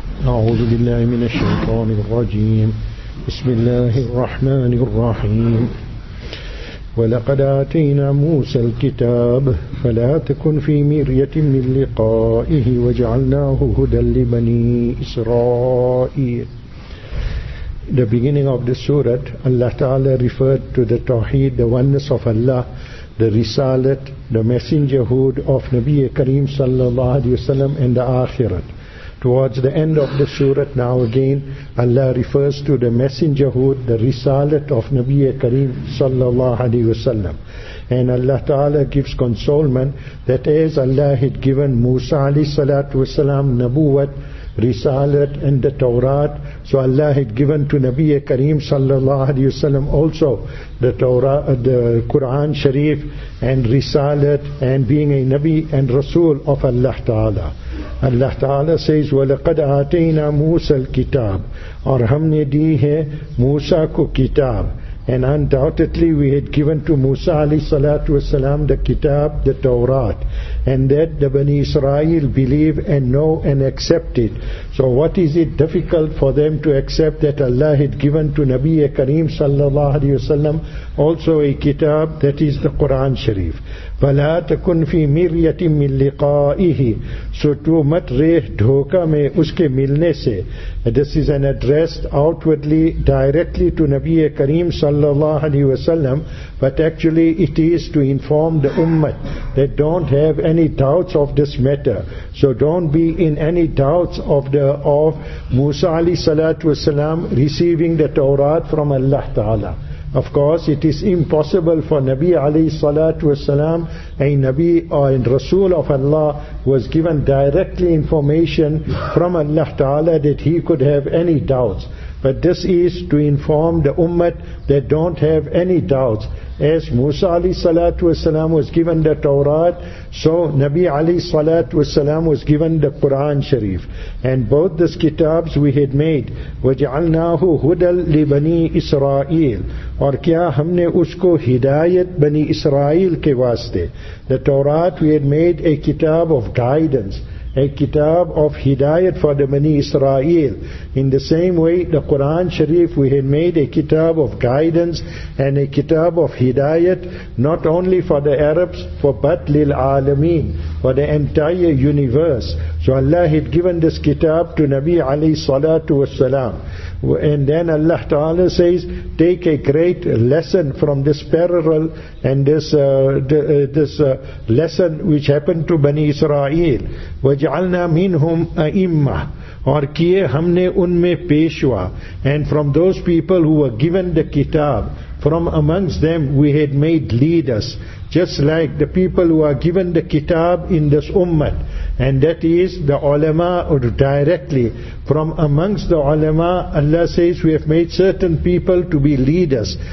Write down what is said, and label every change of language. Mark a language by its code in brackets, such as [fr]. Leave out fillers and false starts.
[ar] أعوذ بالله من الشيطان الرجيم. بسم الله الرحمن الرحيم. ولقد آتينا موسى الكتاب فلا تكن في مرية من لقائه وجعلناه هدى لبني إسرائيل. [en] The beginning of the surah, Allah Ta'ala referred to the Tawheed, the oneness of Allah, the Risalat, the messengerhood of Nabi Kareem sallallahu alayhi wa sallam, and the Akhirat. Towards the end of the surah, now again Allah refers to the messengerhood, the Risalat of Nabi Kareem sallallahu alayhi wa sallam. And Allah Ta'ala gives consolement that as Allah had given Musa alayhi salatu wa sallam Nabuwat, Risalat and the Tawrat, so Allah had given to Nabi Kareem sallallahu alayhi wa sallam also the Torah, the Quran Sharif and Risalat, and being a Nabi and Rasul of Allah Ta'ala. Allah Ta'ala says, [ar] وَلَقَدْ آتَيْنَا مُوسَى الْكِتَابِ, [ur] اور ہم نے دی ہے موسا کو کتاب. [en] And undoubtedly we had given to Musa alayhi salatu wasalam the kitab, the Torah, and that the Bani Israel believe and know and accept it. So what is it difficult for them to accept that Allah had given to Nabi Kareem sallallahu alayhi wasalam also a kitab, that is the Quran Sharif. [ar] فَلَا تَكُنْ فِي مِرْيَةٍ مِنْ لِقَائِهِ, [ur] so تو مت ریح دھوکا میں اس کے ملنے سے. [en] This is an addressed outwardly directly to Nabi Kareem sallallahu alayhi wa sallam, but actually it is to inform the ummah that don't have any doubts of this matter. So don't be in any doubts of Musa alayhi salatu wa sallam receiving the Torah from Allah Ta'ala. Of course, it is impossible for Nabi alayhi salatu wasalam, a Nabi or a Rasul of Allah, was given directly information from Allah Ta'ala that he could have any doubts. But this is to inform the ummah that don't have any doubts. As Musa alayhi salatu wasalam was given the Torah, so Nabi alayhi salatu wasalam was given the Quran Sharif. And both these kitabs we had made. [ar] وَجَعَلْنَاهُ هُدًى لِبَنِي إِسْرَائِيلِ, [ur] اور کیا ہم نے اس کو ہدایت بنی اسرائیل کے واسطے. [en] The Torah we had made a kitab of guidance, a kitab of hidayat for the Bani Israel. In the same way, the Quran Sharif, we had made a kitab of guidance and a kitab of hidayat, not only for the Arabs, but lil alameen, for the entire universe. So Allah had given this kitab to Nabi alayhi salatu wasalam. And then Allah Ta'ala says, take a great lesson from this parable and this lesson which happened to Bani Israel. [ar] وَجْعَلْنَا مِنْهُمْ أَئِمَّةً, [ur] اور کیے ہم نے ان میں پیشوا. [en] And from those people who were given the kitab, from amongst them we had made leaders, just like the people who are given the kitab in this ummah, and that is the ulama, or directly from amongst the ulama Allah says we have made certain people to be leaders.